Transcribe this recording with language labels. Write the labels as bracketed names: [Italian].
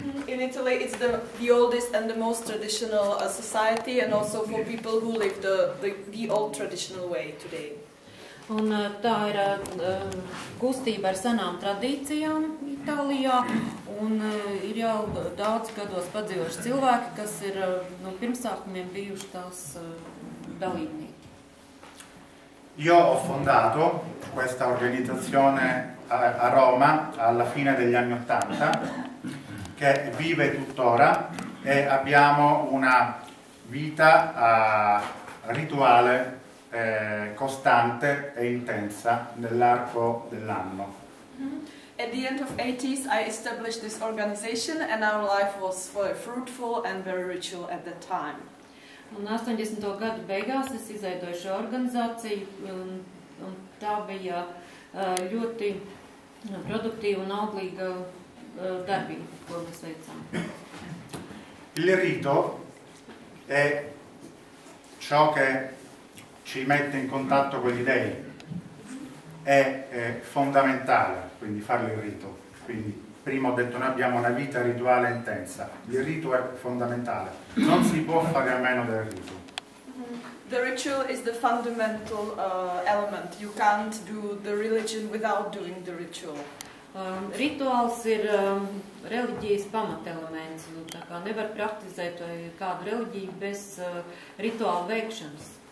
[English] In Italy it's the oldest and the most traditional society, and also for people who live the old traditional way today. [Latvian] Un tā ir kustība ar senām tradīcijām Itālijā, un ir jau daudz gados padzīvojuši cilvēki, kas ir no pirmsākumiem bijuši tās dalībnieki. [Italian] Io ho fondato questa organizzazione a Roma alla fine degli anni '80, che vive tuttora, e abbiamo una vita rituale costante e intensa nell'arco dell'anno. Mm-hmm. [English] At the end of '80s I established this organization and our life was very fruitful and very ritual at that time. [Latvian] Un 80. Gadu beigās es izveidoju šo organizāciju, un tā bija ļoti produktīva un auglīga darbība, ko mēs veicām. [Italian] Il rito è ciò che ci mette in contatto con gli dei, è fondamentale, quindi fare il rito. Quindi prima ho detto noi abbiamo una vita rituale intensa, il rito è fondamentale, non si può fare a meno del rito. [English] The ritual is the fundamental element, you can't do the religion without doing the ritual. [Latvian] Rituāls ir reliģijas pamatelements, tā kā nevar praktizēt kādu reliģiju bez rituāla veikšanas.